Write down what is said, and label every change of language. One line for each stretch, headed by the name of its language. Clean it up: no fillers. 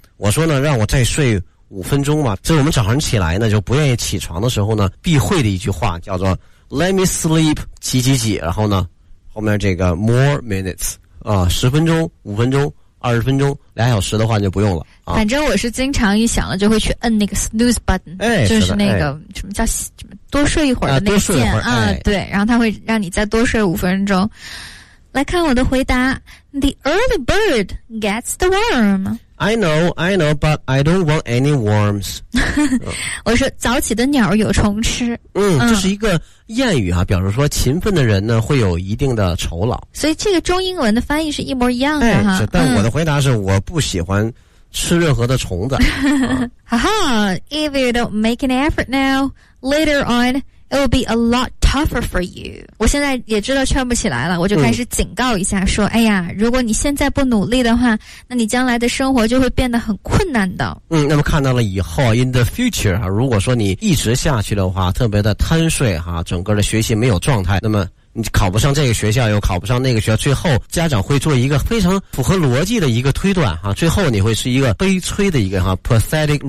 Chinese: 我说呢，让我再睡五分钟嘛，这我们早上起来呢就不愿意起床的时候呢必会的一句话叫做
English: Let me sleep
Chinese: 几几几，然后呢后面这个
English: more minutes
Chinese: 啊，十分钟五分钟二十分钟俩小时的话就不用了，反正我是经常一想了就会去摁那个 snooze button，哎，就是那个，哎，什么叫什么多睡一会儿的那个键，哎，啊，对，然后它会让你再多睡五分钟。来看我的回答，
English: The early bird gets the worm。 I know, but I don't want any worms.
Chinese: 我说早起的鸟有虫吃。这是一个谚语啊，表示说勤奋的人呢会有一定的酬劳。所以这个中英文的翻译是一模一样的哈。哎，但我的回答是我不喜欢吃任何的虫子。
English: If you don't make an effort now, later on, it will be a lot tougher for you.
Chinese: 我现在也知道劝不起来了，我就开始警告一下说，哎呀，如果你现在不努力的话，那你将来的生活就会变得很困难的。那么看到了以后
English: in the future
Chinese: 啊，如果说你一直下去的话，特别的贪睡哈，整个的学习没有状态，那么你考不上这个学校又考不上那个学校，最后家长会做一个非常符合逻辑的一个推断啊，最后你会是一个悲催的一个哈
English: pathetic loser。